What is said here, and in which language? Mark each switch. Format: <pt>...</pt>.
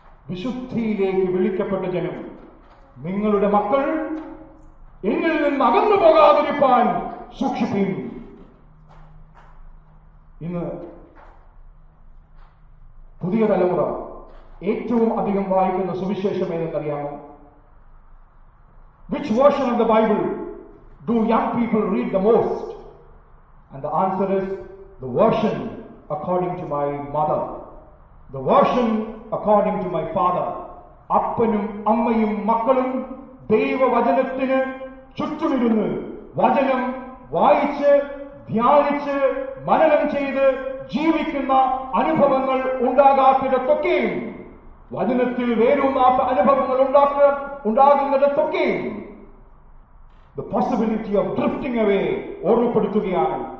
<ml>വിശുദ്ധിയിലേക്ക് വിളിക്കപ്പെട്ട ജനം, നിങ്ങളുടെ മക്കൾ എന്നിൽ നിന്ന് അകന്നു പോകാതിരിക്കാൻ സൂക്ഷിക്കും. ഇന്ന് പുതിയ തലമുറ ഏറ്റവും അധികം വായിക്കുന്ന സുവിശേഷം ഏതെന്നറിയാമോ?</ml> <en>Which version of the Bible do young people read the most? And the answer is the version according to my mother, the version according to my father.</en> <ml>അപ്പനും അമ്മയും മക്കളും ദൈവവചനത്തിന് ചുറ്റുമിരുന്ന് വചനം വായിച്ച് ധ്യാനിച്ച് മനനം ചെയ്ത് ജീവിക്കുന്ന അനുഭവങ്ങൾ ഉണ്ടാകാത്തിടത്തൊക്കെയും വചനത്തിൽ വേരൂന്നാത്ത അനുഭവങ്ങൾ ഉണ്ടാകുന്നിടത്തൊക്കെയും</ml> <en>the possibility of drifting away</en> <ml>ഓർമ്മപ്പെടുത്തുകയാണ്.</ml>